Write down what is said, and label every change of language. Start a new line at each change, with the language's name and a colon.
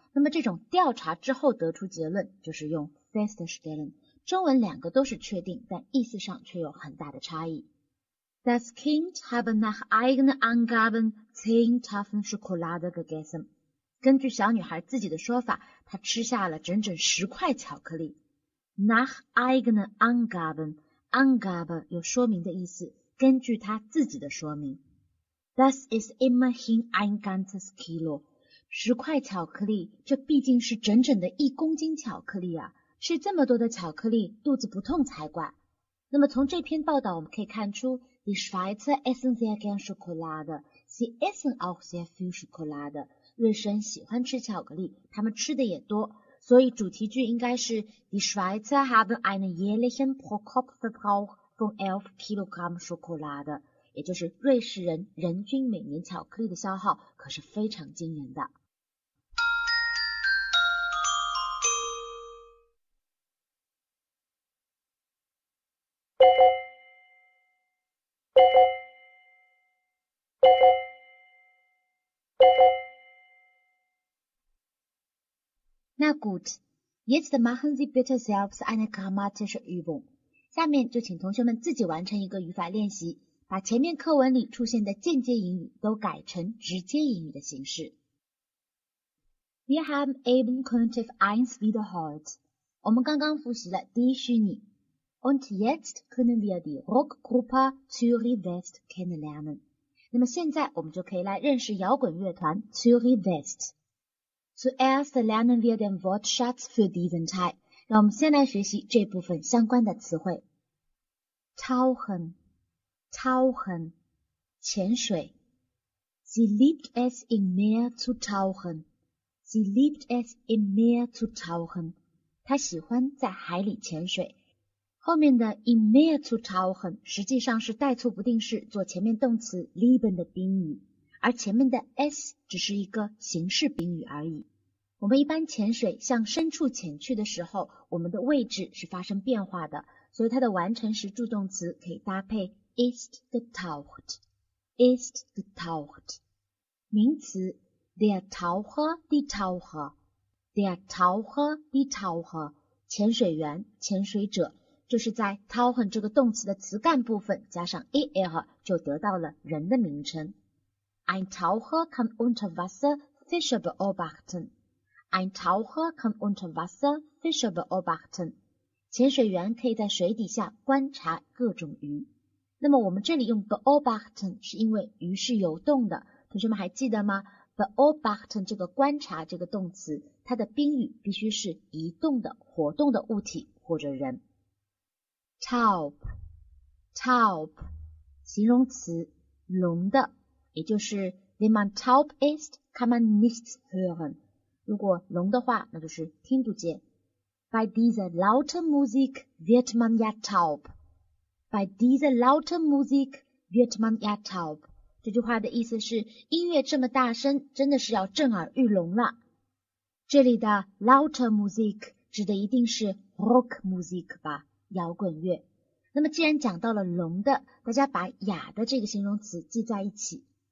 Chinese: 那么这种调查之后得出结论，就是用 feststellen。中文两个都是确定，但意思上却有很大的差异。
German: Das Kind habe nach eigenen Angaben 10 Tafeln Schokolade gegessen.
Chinese: 根据小女孩自己的说法，她吃下了整整十块巧克力。
German: Nach eigenen Angaben
Chinese: 有说明的意思，根据她自己的说明。
German: Das ist immerhin ein ganzes Kilo.
Chinese: 十块巧克力，这毕竟是整整的一公斤巧克力啊！吃这么多的巧克力，肚子不痛才怪。那么从这篇报道我们可以看出，
German: Die Schweizer essen sehr gern Schokolade. Sie essen auch sehr viel Schokolade.
Chinese: 瑞士人喜欢吃巧克力，他们吃的也多。所以主题句应该是
German: Die Schweizer haben einen jährlichen Pro-Kopf-Verbrauch von 11 Kilogramm Schokolade.
Chinese: 也就是瑞士人人均每年巧克力的消耗可是非常惊人的。
German: Na gut, jetzt machen Sie bitte selbst eine grammatische Übung.
Chinese: 下面就请同学们自己完成一个语法练习，把前面课文里出现的间接引语都改成直接引语的形式。
German: Wir haben eben Konjunktiv 1 wiederholt.
Chinese: 我们刚刚复习了第一虚拟。
German: Und jetzt können wir die Rockgruppe Zürich West kennenlernen.
Chinese: 那么现在我们就可以来认识摇滚乐团 Zürich West。
German: Zuerst lernen wir den Wortschatz für diesen Teil.
Chinese: 让我们先来学习这部分相关的词汇。
German: Tauchen, tauchen,
Chinese: 潜水。
German: Sie liebt es im Meer zu tauchen. Sie liebt es im Meer zu tauchen.
Chinese: 她喜欢在海里潜水。后面的
German: im Meer zu tauchen
Chinese: 实际上是代促不定式做前面动词 lieben 的宾语。而前面的 s 只是一个形式宾语而已。我们一般潜水向深处潜去的时候，我们的位置是发生变化的，所以它的完成时助动词可以搭配
German: ist getaucht, ist getaucht。
Chinese: 名词
German: der Taucher, die Taucher, der Taucher, die Taucher,
Chinese: 潜水员、潜水者，就是在 tauchen 这个动词的词干部分加上 er 就得到了人的名称。
German: Ein Taucher kann unter Wasser Fische beobachten. Ein Taucher kann unter Wasser Fische beobachten.
Chinese: 潜水员可以在水底下观察各种鱼。那么我们这里用 beobachten 是因为鱼是游动的。同学们还记得吗？ beobachten 这个观察这个动词，它的宾语必须是移动的、活动的物体或者人。
German: Taub, taub,
Chinese: 形容词，聋的。也就是
German: wenn man taub ist, kann man nichts hören.
Chinese: 如果聋的话，那就是听不见。
German: By dieser lauten Musik wird man ja taub. By dieser lauten Musik wird man ja taub.
Chinese: 这句话的意思是，音乐这么大声，真的是要震耳欲聋了。这里的
German: lauten Musik
Chinese: 指的一定是 Rock Musik 吧，摇滚乐。那么既然讲到了聋的，大家把哑的这个形容词记在一起。